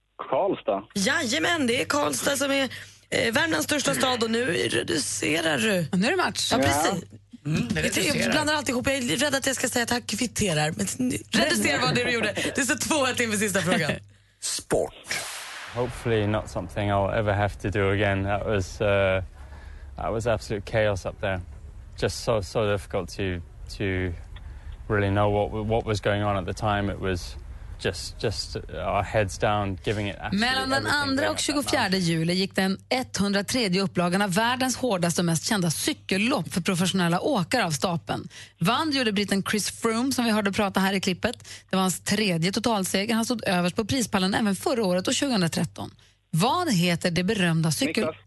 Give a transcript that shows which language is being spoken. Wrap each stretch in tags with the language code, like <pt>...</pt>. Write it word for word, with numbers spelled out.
<sv>Karlstad. Jajamän, det är Karlstad som är... Värmlands största stad och nu reducerar du. Nu är det match. Ja, precis. Mm, det jag blandar alltid ihop. Jag är rädd att jag ska säga att jag kvitterar. Men reducera vad det du gjorde. Det står två att inför sista frågan. Sport.</sv> <en>Hopefully not something I'll ever have to do again. That was, uh, that was absolute chaos up there. Just so, so difficult to, to really know what, what was going on at the time. It was... Just, just our heads down, giving it</en> <sv>Mellan den andra och tjugofjärde juli gick den etthundratredje upplagan av världens hårdaste och mest kända cykellopp för professionella åkare av stapeln. Vann gjorde britten Chris Froome som vi hörde prata här i klippet. Det var hans tredje totalseger. Han stod överst på prispallen även förra året och tjugotretton. Vad heter det berömda cykel...</sv>